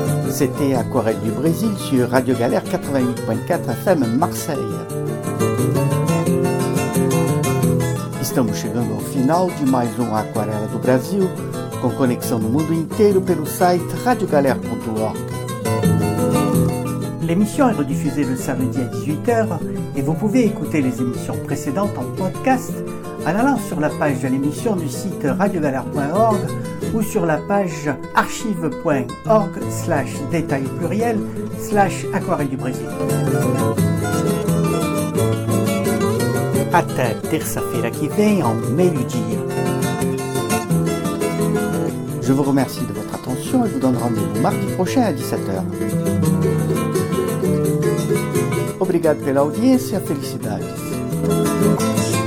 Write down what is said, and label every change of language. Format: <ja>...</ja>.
<fr>C'était Aquarelle du Brésil sur Radio Galère 88.4 FM Marseille.</fr> <pt>Estamos chegando ao final de mais Aquarelle do Brasil, com conexão no mundo inteiro pelo site radiogalère.org.</pt> <fr>L'émission est rediffusée le samedi à 18h et vous pouvez écouter les émissions précédentes en podcast en allant sur la page de l'émission du site radiogalère.org ou sur la page archive.org/détail/aquarelle du Brésil.</fr> <pt>Até terça-feira que vem, en meio-dia.</pt> <fr>Je vous remercie de votre attention et vous donne rendez-vous mardi prochain à 17h.</fr> <pt>Obrigado pela audiência, felicidades.</pt>